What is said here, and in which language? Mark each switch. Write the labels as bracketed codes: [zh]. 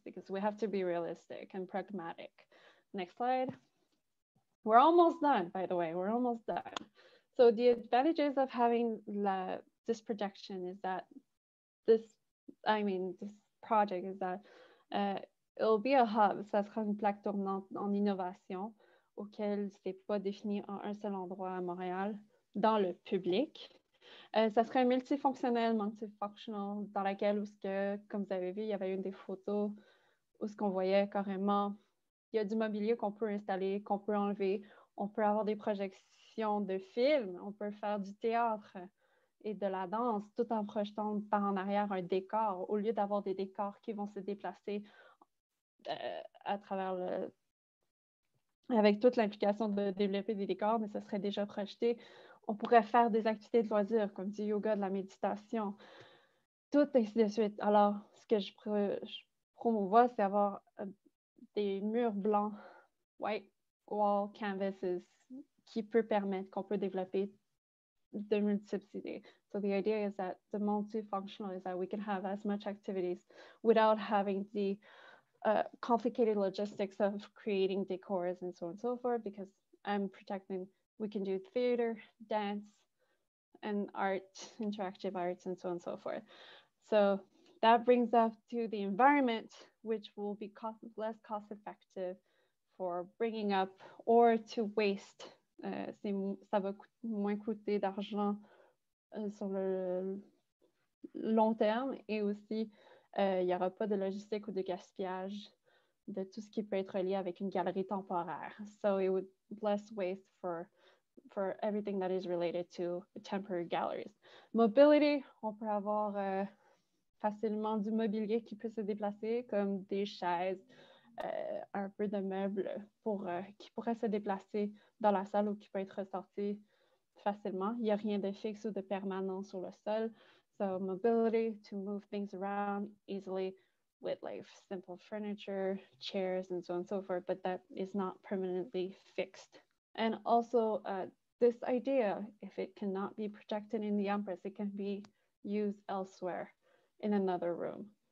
[en] Because we have to be realistic and pragmatic. Next slide. We're almost done, by the way, we're almost done. So the advantages of having this projection is that this project is that it'll be a hub. [fr] Ça sera une plaque tournante en innovation. Auquel c'est pas défini en un seul endroit à Montréal, dans le public. Ça serait multifonctionnel, dans laquelle, où ce que, comme vous avez vu, il y avait une des photos où ce qu'on voyait carrément, il y a du mobilier qu'on peut installer, qu'on peut enlever, on peut avoir des projections de films, on peut faire du théâtre et de la danse, tout en projetant par en arrière un décor, au lieu d'avoir des décors qui vont se déplacer à travers le... Avec toute l'implication de développer des décors, mais ce serait déjà projeté. On pourrait faire des activités de loisirs, comme du yoga, de la méditation, tout ainsi de suite. Alors, ce que je promouvois, c'est avoir des murs blancs, [en] white wall canvases, [fr] qui peut permettre qu'on peut développer de multiples idées. [en] So the idea is that the multifunctional is that we can have as much activities without having the... complicated logistics of creating decors and so on and so forth, because I'm protecting, we can do theater, dance, and art, interactive arts, and so on and so forth. So that brings us to the environment, which will be less cost effective for bringing up or to waste. [fr] Ça va moins coûter d'argent sur le long terme, et aussi il n'y aura pas de logistique ou de gaspillage de tout ce qui peut être lié avec une galerie temporaire. [en] So it would less waste for everything that is related to temporary galleries. [fr] Mobility, on peut avoir facilement du mobilier qui peut se déplacer, comme des chaises, un peu de meubles pour qui pourrait se déplacer dans la salle ou qui peut être ressorti facilement. Il n'y a rien de fixe ou de permanent sur le sol. [en] So mobility to move things around easily with like simple furniture, chairs, and so on and so forth, but that is not permanently fixed. And also this idea, if it cannot be projected in the Empress, it can be used elsewhere in another room.